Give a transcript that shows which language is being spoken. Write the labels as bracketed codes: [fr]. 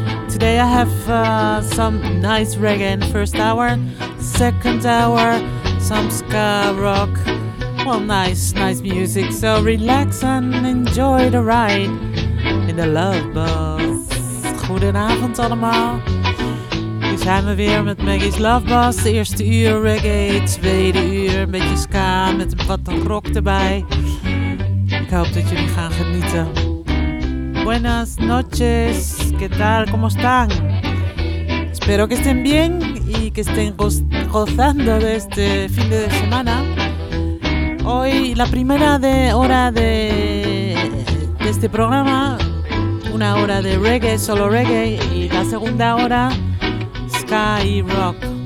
[en] Today I have some nice reggae in the first hour. Second hour, some ska rock. Well, nice music. So relax and enjoy the ride in the Love Bus. [nl] Goedenavond allemaal. Hier zijn we weer met Maggie's Love Bus. De eerste uur reggae, tweede uur een beetje ska met wat rock erbij. Ik hoop dat jullie gaan genieten. [es] Buenas noches. ¿Qué tal? ¿Cómo están? Espero que estén bien y que estén gozando de este fin de semana. Hoy, la primera hora de este programa, una hora de reggae, solo reggae, y la segunda hora, ska y rock.